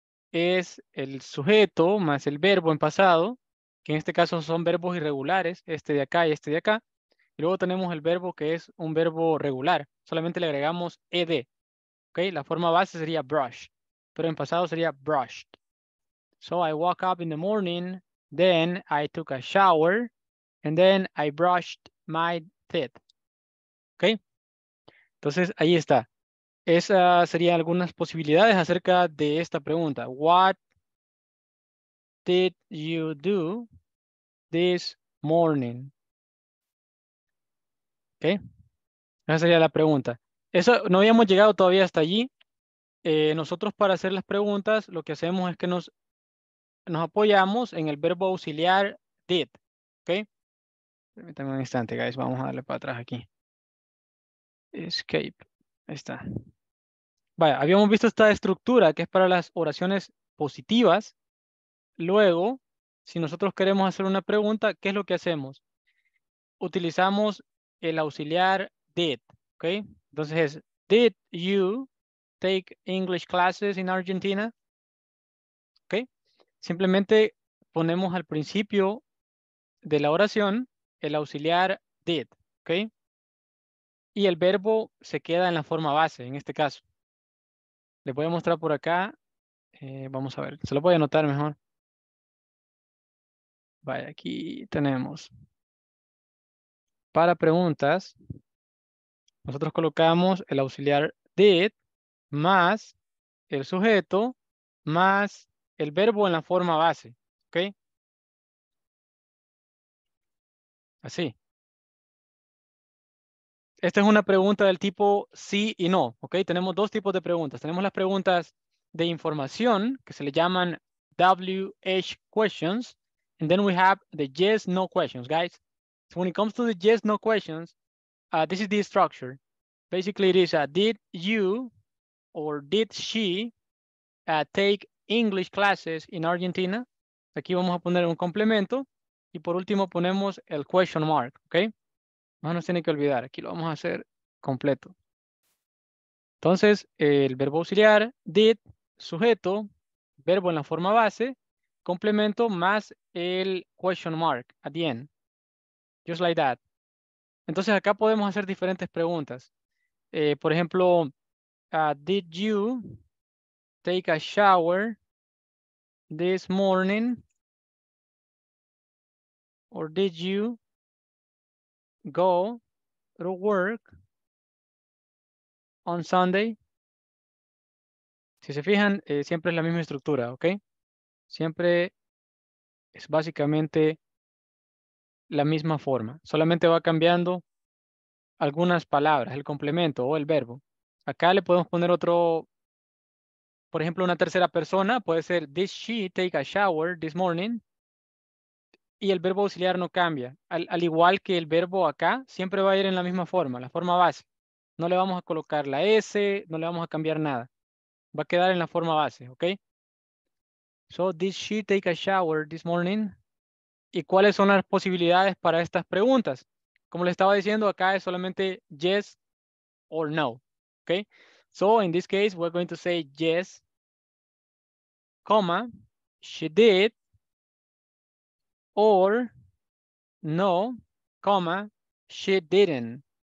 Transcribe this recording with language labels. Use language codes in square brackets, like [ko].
[es] Es el sujeto más el verbo en pasado, que en este caso son verbos irregulares, este de acá y este de acá. Y luego tenemos el verbo que es un verbo regular. Solamente le agregamos ed. ¿Okay? La forma base sería brush, pero en pasado sería brushed. [en] So I woke up in the morning, then I took a shower, and then I brushed my teeth. [es] ¿Okay? Entonces, ahí está. Esas serían algunas posibilidades acerca de esta pregunta. [en] What did you do this morning? [es] ¿Ok? Esa sería la pregunta. Eso, no habíamos llegado todavía hasta allí. Nosotros para hacer las preguntas, lo que hacemos es que nos apoyamos en el verbo auxiliar did. ¿Ok? Permítanme un instante, guys. Vamos a darle para atrás aquí. Escape. Ahí está. Vaya, habíamos visto esta estructura que es para las oraciones positivas. Luego, si nosotros queremos hacer una pregunta, ¿qué es lo que hacemos? Utilizamos el auxiliar did. ¿Ok? Entonces es, [en] did you take English classes in Argentina? ¿Ok? [es] Simplemente ponemos al principio de la oración el auxiliar did. ¿Ok? Y el verbo se queda en la forma base, en este caso. Les voy a mostrar por acá. Vamos a ver. Se lo voy a anotar mejor. Vaya, aquí tenemos. Para preguntas, nosotros colocamos el auxiliar did más el sujeto más el verbo en la forma base. ¿Ok? Así. Esta es una pregunta del tipo sí y no. ¿Ok? Tenemos dos tipos de preguntas. Tenemos las preguntas de información, que se le llaman WH questions. [en] And then we have the yes, no questions, guys. So when it comes to the yes, no questions, this is the structure. Basically, it is, did you or did she take English classes in Argentina? [es] Aquí vamos a poner un complemento. Y por último, ponemos el question mark, ¿ok? No nos tiene que olvidar, aquí lo vamos a hacer completo. Entonces, el verbo auxiliar, did, sujeto, verbo en la forma base, complemento más el question mark, [en] at the end. Just like that. [es] Entonces, acá podemos hacer diferentes preguntas. Por ejemplo, [en] did you take a shower this morning? Or did you go to work on Sunday? [es] Si se fijan, siempre es la misma estructura, ¿ok? Siempre es básicamente la misma forma. Solamente va cambiando algunas palabras, el complemento o el verbo. Acá le podemos poner otro, por ejemplo, una tercera persona. Puede ser, [en] did she take a shower this morning? [es] Y el verbo auxiliar no cambia. Al igual que el verbo acá, siempre va a ir en la misma forma, la forma base. No le vamos a colocar la S, no le vamos a cambiar nada. Va a quedar en la forma base, ¿ok? [en] So, did she take a shower this morning? [es] ¿Y cuáles son las posibilidades para estas preguntas? Como les estaba diciendo, acá es solamente [en] yes or no, [es] ¿ok? [en] So, in this case, we're going to say yes, comma, she did. Or, no, comma, she didn't.